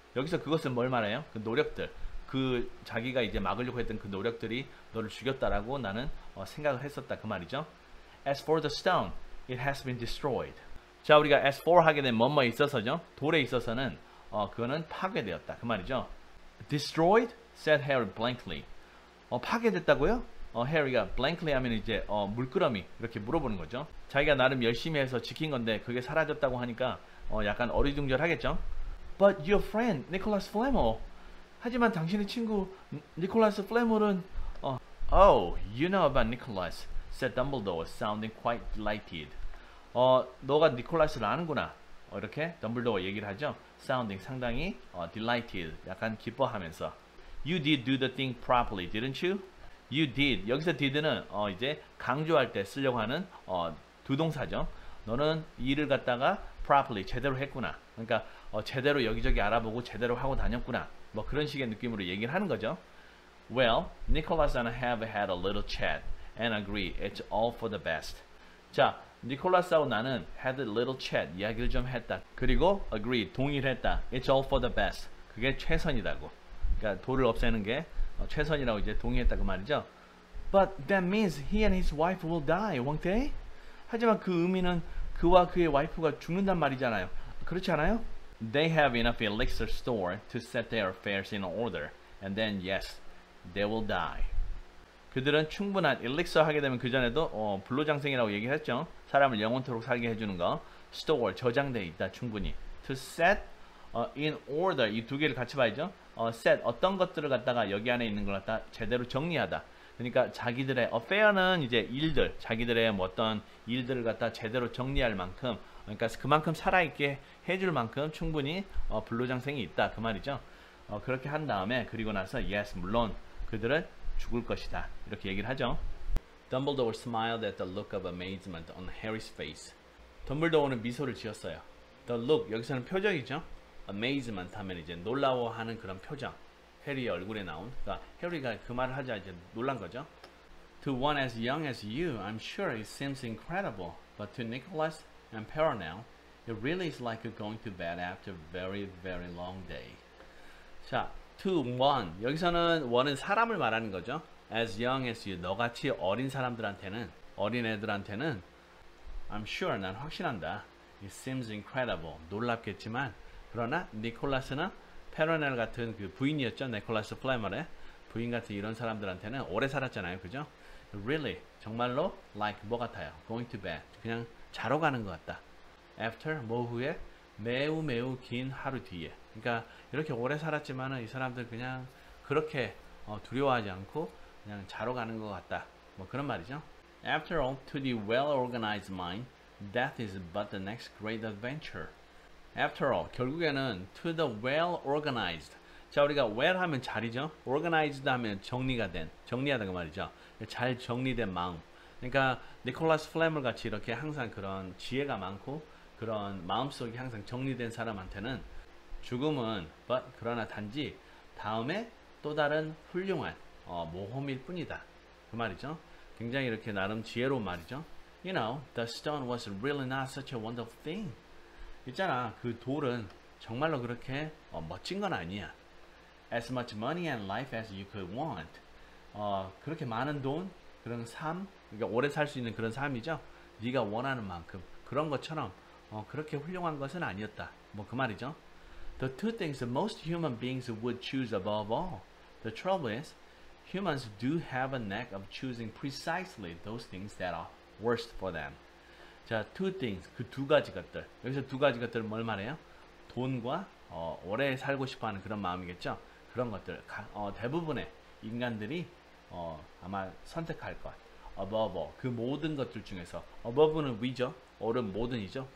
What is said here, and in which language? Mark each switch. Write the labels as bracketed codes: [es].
[ko] 여기서 그것은 뭘 말해요? 그 노력들, 그 자기가 이제 막으려고 했던 그 노력들이 너를 죽였다라고 나는 생각을 했었다 그 말이죠. [en] As for the stone, it has been destroyed. [ko] 자, 우리가 as for 하게 된 뭐뭐 있어서죠. 돌에 있어서는 그거는 파괴되었다 그 말이죠. [en] Destroyed? said Harry blankly. [ko] 파괴됐다고요? Harry가 blankly 하면 이제 물끄러미, 이렇게 물어보는 거죠. 자기가 나름 열심히 해서 지킨 건데 그게 사라졌다고 하니까 약간 어리둥절하겠죠. [en] But your friend, Nicholas Flamel. [ko] 하지만 당신의 친구 니콜라스 플래멀은 [en] Oh, you know about Nicholas, said Dumbledore, sounding quite delighted. [ko] 너가 니콜라스를 아는구나, 이렇게 덤블도어 얘기를 하죠. Sounding, 상당히 delighted, 약간 기뻐하면서. [en] You did do the thing properly, didn't you? You did, [ko] 여기서 did는 이제 강조할 때 쓰려고 하는 두동사죠. 너는 일을 갖다가 properly, 제대로 했구나, 그러니까 제대로 여기저기 알아보고 제대로 하고 다녔구나, 뭐 그런 식의 느낌으로 얘기를 하는 거죠. [en] Well, Nicholas and I have had a little chat and agree it's all for the best. [ko] 자, 니콜라스하고 나는 [en] had a little chat, [ko] 이야기를 좀 했다. 그리고 [en] agree, [ko] 동의를 했다. [en] It's all for the best. [ko] 그게 최선이다고. 그러니까 돌을 없애는 게 최선이라고 이제 동의했다 그 말이죠. [en] But that means he and his wife will die, won't they? [ko] 하지만 그 의미는 그와 그의 와이프가 죽는단 말이잖아요. 그렇지 않아요? [en] They have enough elixir stored to set their affairs in order, and then yes, they will die. [ko] 그들은 충분한 elixir 하게 되면, 그 전에도 불로장생이라고 얘기했죠. 사람을 영원토록 살게 해주는 거. [en] Store, [ko] 저장돼 있다 충분히. [en] To set in order, [ko] 이 두 개를 같이 봐야죠. Set, 어떤 것들을 갖다가 여기 안에 있는 걸 갖다 제대로 정리하다. 그러니까 자기들의 affair는 이제 일들, 자기들의 뭐 어떤 일들을 갖다 제대로 정리할 만큼, 그러니까 그만큼 살아있게 해줄 만큼 충분히 불로장생이 있다 그 말이죠. 그렇게 한 다음에, 그리고 나서 yes, 물론 그들은 죽을 것이다, 이렇게 얘기를 하죠. [en] Dumbledore smiled at the look of amazement on Harry's face. [ko] 덤블도어는 미소를 지었어요. [en] The look, [ko] 여기서는 표정이죠. Amazement 하면 이제 놀라워하는 그런 표정. 해리의 얼굴에 나온, 그러니까 해리가 그 말을 하자 이제 놀란 거죠. [en] To one as young as you, I'm sure it seems incredible. But to Nicholas and Paranel, it really is like going to bed after a very, very long day. [ko] 자, to one. 여기서는 one은 사람을 말하는 거죠. [en] As young as you, [ko] 너같이 어린 사람들한테는, 어린 애들한테는 [en] I'm sure, [ko] 난 확신한다. [en] It seems incredible. [ko] 놀랍겠지만, 그러나 니콜라스나 페러넬 같은 그 부인이었죠. 니콜라스 플래머의 부인 같은 이런 사람들한테는 오래 살았잖아요. 그죠? [en] Really, [ko] 정말로 [en] like [ko] 뭐 같아요. [en] Going to bed. [ko] 그냥 자러 가는 것 같다. After, 뭐 후에? 매우 매우 긴 하루 뒤에. 그러니까 이렇게 오래 살았지만은 이 사람들 그냥 그렇게 두려워하지 않고 그냥 자러 가는 것 같다. 뭐 그런 말이죠. [en] After all, to the well-organized mind, death is but the next great adventure. After all, [ko] 결국에는 [en] to the well-organized. [ko] 자, 우리가 well 하면 잘이죠. organized 하면 정리가 된, 정리하다는 거 말이죠. 잘 정리된 마음. 그러니까 니콜라스 플래머 같이 이렇게 항상 그런 지혜가 많고 그런 마음속이 항상 정리된 사람한테는 죽음은 but 그러나 단지 다음에 또 다른 훌륭한 모험일 뿐이다. 그 말이죠. 굉장히 이렇게 나름 지혜로운 말이죠. [en] You know, the stone was really not such a wonderful thing. [ko] 있잖아, 그 돌은 정말로 그렇게 멋진 건 아니야. [en] As much money and life as you could want. [ko] 그렇게 많은 돈, 그런 삶, 그러니까 오래 살 수 있는 그런 삶이죠. 네가 원하는 만큼, 그런 것처럼 그렇게 훌륭한 것은 아니었다. 뭐 그 말이죠. [en] The two things most human beings would choose above all. The trouble is, humans do have a knack of choosing precisely those things that are worst for them. [ko] 자, two things, 그 두 가지 것들. 여기서 두 가지 것들은 뭘 말해요? 돈과 오래 살고 싶어하는 그런 마음이겠죠? 그런 것들, 대부분의 인간들이 아마 선택할 것. [en] Above all, [ko] 그 모든 것들 중에서. Above는 위죠? 오른 모든이죠?